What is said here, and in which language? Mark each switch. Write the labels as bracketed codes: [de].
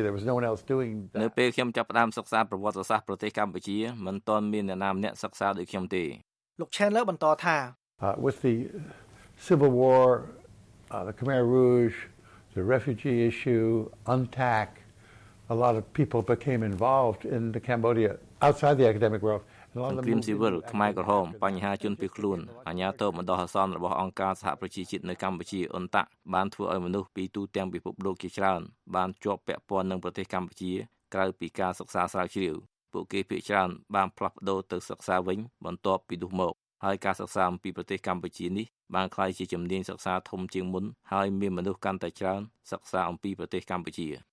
[km] ពេលខ្ញុំចាប់ផ្ដើមសិក្សាប្រវត្តិសាស្ត្រប្រទេសកម្ពុជាមិនទាន់មានអ្នកណាម្នាក់សិក្សាដូចខ្ញុំទេ លោក Chandler បន្តថា [en] With the Civil War the Khmer Rouge the refugee issue UNTAC a lot of people became involved in the Cambodia outside the academic world and a lot of them civil [km] ខ្មែរក្រហមបញ្ហាជនភៀសខ្លួនអាញាធិបតេយ្យបដិសអសនរបស់អង្គការសហប្រជាជាតិនៅកម្ពុជាអន្តៈបានធ្វើឲ្យមនុស្សពីទូទាំងពិភពលោកជាច្រើនបានជាប់ពាក់ព័ន្ធនឹងប្រទេសកម្ពុជាក្រៅពីការសិក្សាស្រាវជ្រាវពួកគេភាគច្រើនបានផ្លាស់ប្ដូរទៅសិក្សាវិញបន្ទាប់ពីនោះមកហើយការសិក្សាអំពីប្រទេសកម្ពុជានេះបានក្លាយជាជំនាញសិក្សាធំជាងមុនហើយមានមនុស្សកាន់តែច្រើនសិក្សាអំពីប្រទេសកម្ពុជា